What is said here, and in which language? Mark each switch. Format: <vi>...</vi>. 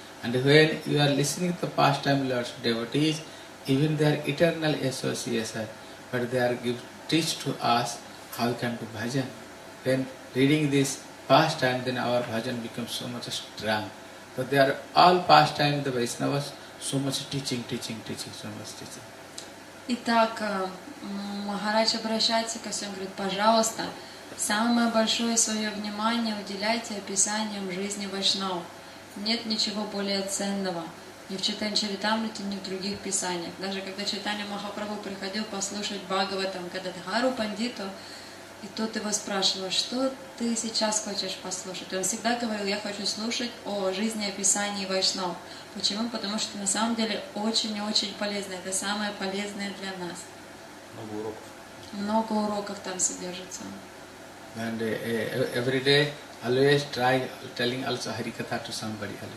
<en>And when you are listening to the pastime of Lord's devotees, even their eternal associates, but they are teach to us how we can do bhajan. When reading this pastime, then our bhajan becomes so much strong. So they are all pastime, the Vaishnavas, so much teaching, so much teaching.</en> <ru>Итак, Махарадж обращается ко всем, говорит, пожалуйста, самое большое свое внимание уделяйте описаниям жизни Вайшнав. Нет ничего более ценного ни в Чайтанья-чаритамрите, ни в других писаниях. Даже когда Чайтанья Махапрабху приходил послушать Бхагаватам, когда Дхару Пандиту, и тот его спрашивал, что ты сейчас хочешь послушать? Он всегда говорил, я хочу слушать о жизни описании Вайшнав. Почему? Потому что на самом деле очень и очень полезно. Это самое полезное для нас. Много уроков. Много уроков там содержится.</ru> <en>And every day, always try telling also Harikatha to somebody.</en>